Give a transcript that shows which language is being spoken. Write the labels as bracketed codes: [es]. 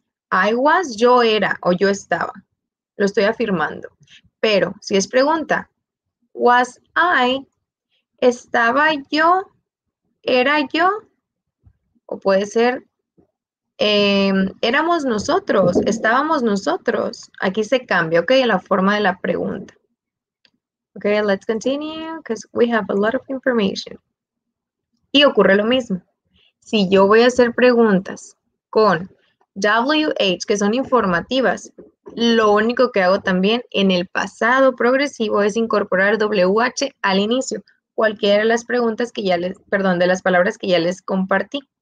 [es] I was, yo era o yo estaba. Lo estoy afirmando. Pero si es pregunta, was I, estaba yo, era yo, o puede ser. Éramos nosotros, estábamos nosotros. Aquí se cambia, ¿ok? La forma de la pregunta. [en] Ok, let's continue, because we have a lot of information. [es] Y ocurre lo mismo. Si yo voy a hacer preguntas con WH, que son informativas, lo único que hago también en el pasado progresivo es incorporar WH al inicio. Cualquiera de las preguntas que ya les, perdón, de las palabras que ya les compartí.